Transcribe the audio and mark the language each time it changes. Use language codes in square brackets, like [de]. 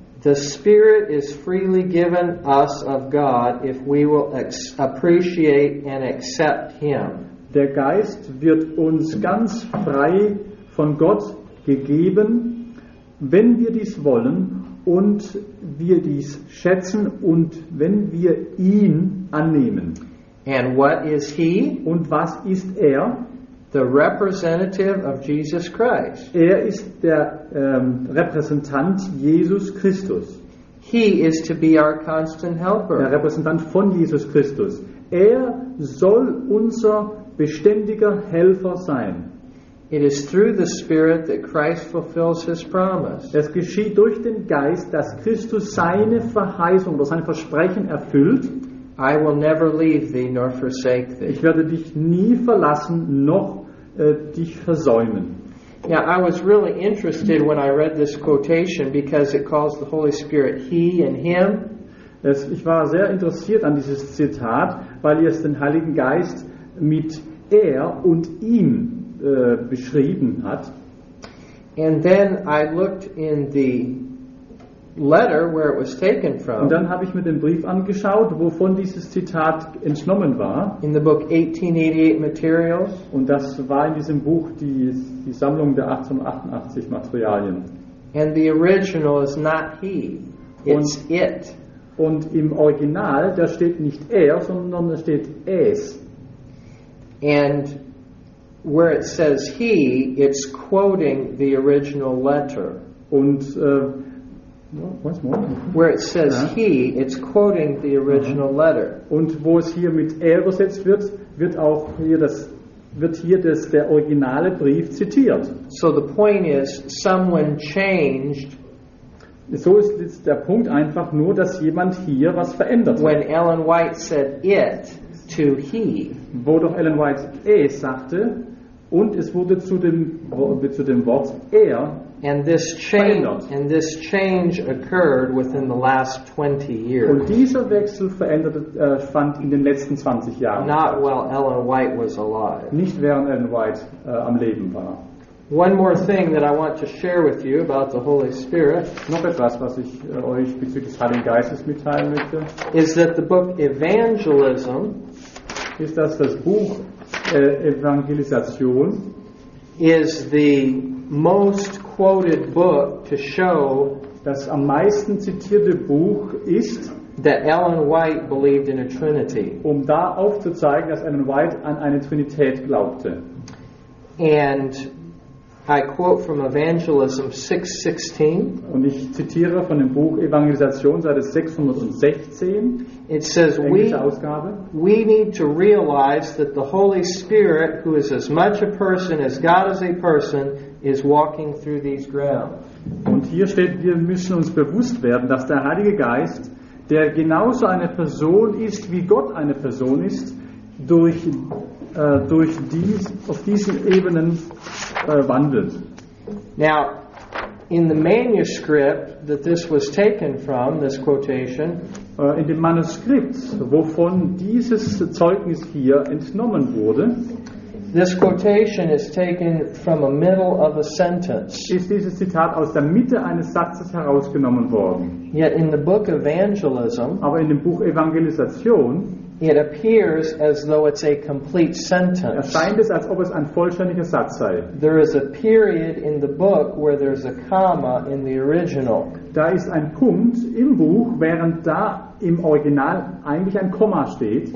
[en] The Spirit is freely given us of God if we will appreciate and accept Him. [de] Der Geist wird uns ganz frei von Gott gegeben, wenn wir dies wollen und wir dies schätzen und wenn wir ihn annehmen. [en] And what is he? [de] Und was ist er? [en] The representative of Jesus Christ. [de] Er ist der Repräsentant Jesus Christus. [en] He is to be our constant helper. [de] Der Repräsentant von Jesus Christus. Er soll unser beständiger Helfer sein. [en] It is through the Spirit that Christ fulfills his promise. [de] Es geschieht durch den Geist, dass Christus seine Verheißung oder sein Versprechen erfüllt. [en] I will never leave thee nor forsake thee. [de] Ich werde dich nie verlassen noch dich versäumen. [en] Now, I was really interested when I read this quotation because it calls the Holy Spirit He and Him. [de] Ich war sehr interessiert an dieses Zitat, weil es den Heiligen Geist mit er und ihm beschrieben hat. [en] And then I looked in the letter where it was taken from. [de] Und dann habe ich mir den Brief angeschaut, wovon dieses Zitat entnommen war. [en] In the book 1888 Materials. [de] Und das war in diesem Buch die Sammlung der 1888 Materialien. [en] And the original is not he, it's it. [de] Und im Original, da steht nicht er, sondern da steht es. [en] And where it says he, it's quoting the original letter. [de] Und [en] once more. Where it says he, it's quoting the original letter. [de] Und wo es hier mit er übersetzt wird, wird hier der originale Brief zitiert. [en] So the point is, someone changed. [de] So ist jetzt der Punkt einfach nur, dass jemand hier was verändert. [en] When Ellen White said it to he. [de] Wo doch Ellen White es sagte und es wurde zu dem Wort er. [en] And this change occurred within the last 20 years. [de] Und dieser Wechsel fand in den letzten 20 Jahren. [en] Not while Ellen White was alive. [de] Nicht während Ellen White am Leben war. [en] One more thing that I want to share with you about the Holy Spirit. [de] Noch etwas, was ich euch bezüglich des Heiligen Geistes mitteilen möchte. [en] Is that the book Evangelism? [de] Ist das Buch Evangelisation? [en] Is the most quoted book to show [de] das am meisten zitierte Buch ist [en] that Ellen White believed in a Trinity. [de] Um da aufzuzeigen, dass Ellen White an eine Trinität glaubte. [en] And I quote from Evangelism 6:16. [de] Und ich zitiere von dem Buch Evangelisation Seite 616. [en] It says we need to realize that the Holy Spirit, who is as much a person as God is a person, is walking through these grounds. [de] Und hier steht, wir müssen uns bewusst werden, dass der Heilige Geist, der genauso eine Person ist wie Gott eine Person ist, auf diesen Ebenen wandelt. [en] Now, in the manuscript that this was taken from, this quotation, [de] in dem Manuskript, wovon dieses Zeugnis hier entnommen wurde, [en] this quotation is taken from a middle of a sentence. [de] Ist dieses Zitat aus der Mitte eines Satzes herausgenommen worden? [en] Yet in the book Evangelism, [de] aber in dem Buch Evangelisation, [en] it appears as though it's a complete sentence. [de] Erscheint es, als ob es ein vollständiger Satz sei. [en] There is a period in the book where there's a comma in the original. [de] Da ist ein Punkt im Buch, während da im Original eigentlich ein Komma steht.